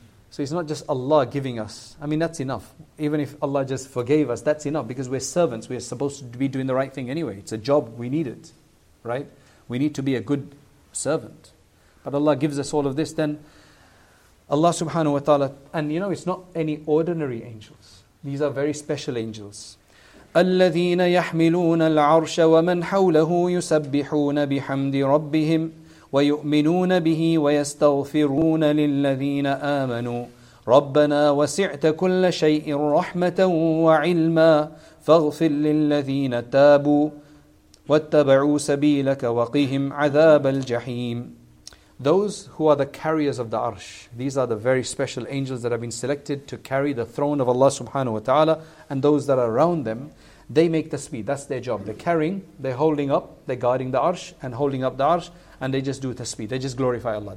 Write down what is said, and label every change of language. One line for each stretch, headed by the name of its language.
English: So it's not just Allah giving us. I mean, that's enough. Even if Allah just forgave us, that's enough. Because we're servants. We're supposed to be doing the right thing anyway. It's a job. We need it. Right? We need to be a good servant. But Allah gives us all of this. Then Allah subhanahu wa ta'ala. And you know, it's not any ordinary angels. These are very special angels.
Arabic: الذين يحملون العرش ومن حوله يسبحون بحمد ربهم ويؤمنون به ويستغفرون للذين آمنوا ربنا وسعت كل شيء رحمة وعلما فاغفر للذين تابوا واتبعوا سبيلك وقهم عذاب الجحيم.
English: Those who are the carriers of the arsh, these are the very special angels that have been selected to carry the throne of Allah subhanahu wa ta'ala, and those that are around them, they make the tasbih, that's their job. They're carrying, they're holding up, they're guarding the arsh and holding up the arsh, and they just do tasbih. They just glorify Allah.